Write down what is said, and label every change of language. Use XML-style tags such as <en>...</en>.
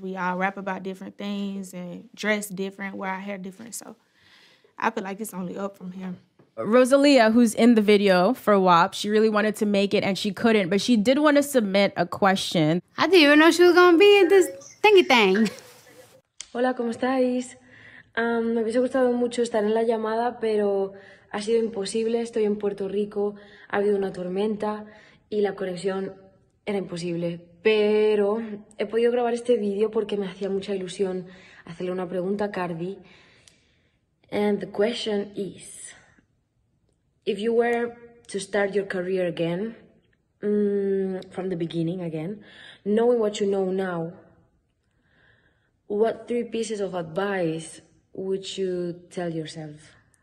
<en>We all rap about different things and dress different, wear our hair different. So I feel like it's only up from here. Rosalia, who's in the video for WAP, she really wanted to make it and she couldn't, but she did want to submit a question. I didn't even know she was going to be in this thingy thing.</en> <es>Hola, ¿cómo estáis? Me hubiese gustado mucho estar en la llamada, pero ha sido imposible. Estoy en Puerto Rico, ha habido una tormenta y la conexión era imposible. Pero he podido grabar este vídeo porque me hacía mucha ilusión hacerle una pregunta a Cardi.</es> <en>And the question is, if you were to start your career again, from the beginning again, knowing what you know now, what three pieces of advice would you tell yourself?</en>